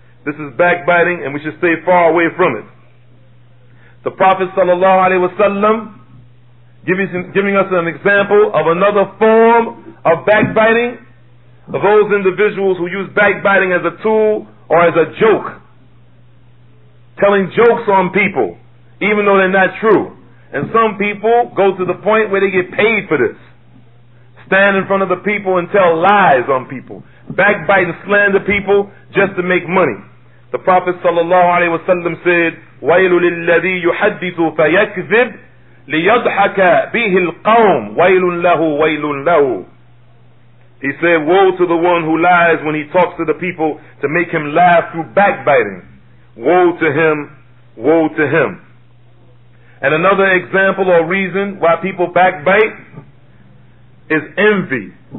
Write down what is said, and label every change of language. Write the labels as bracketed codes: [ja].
[en] This is backbiting, and we should stay far away from it. The Prophet sallallahu alaihi wasallam giving us an example of another form of backbiting, of those individuals who use backbiting as a tool or as a joke, telling jokes on people even though they're not true. And some people go to the point where they get paid for this, stand in front of the people and tell lies on people, backbite and slander people just to make money. The Prophet sallallahu alaihi wasallam said, [ar] وَيْلُ لِلَّذِي يُحَدِّثُ فَيَكْذِبْ لِيَضْحَكَ بِهِ الْقَوْمُ وَيْلٌ لَهُ وَيْلٌ لَهُ. [en] He said, woe to the one who lies when he talks to the people to make him laugh through backbiting. Woe to him, woe to him. And another example or reason why people backbite is envy.